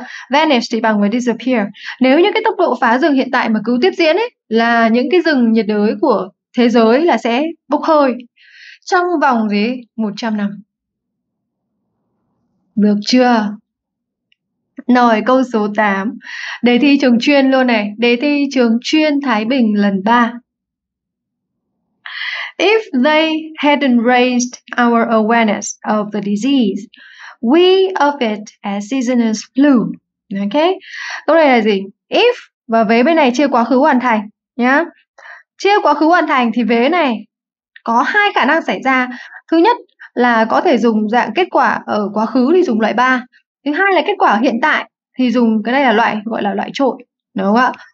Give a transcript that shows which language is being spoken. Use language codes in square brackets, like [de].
[vi] Vanish thì bằng với disappear. Nếu như cái tốc độ phá rừng hiện tại mà cứ tiếp diễn ấy, là những cái rừng nhiệt đới của thế giới là sẽ bốc hơi trong vòng gì 100 năm. Được chưa? Rồi câu số 8. Đề thi trường chuyên luôn này. Đề thi trường chuyên Thái Bình lần 3. [en] If they hadn't raised our awareness of the disease, we of it as seasonal flu. [vi] Ok. Câu này là gì? If và vế bên này chia quá khứ hoàn thành nhá. Chia quá khứ hoàn thành thì vế này có hai khả năng xảy ra. Thứ nhất là có thể dùng dạng kết quả ở quá khứ thì dùng loại 3. Thứ hai là kết quả ở hiện tại thì dùng cái này là loại gọi là loại trội. Đúng không ạ?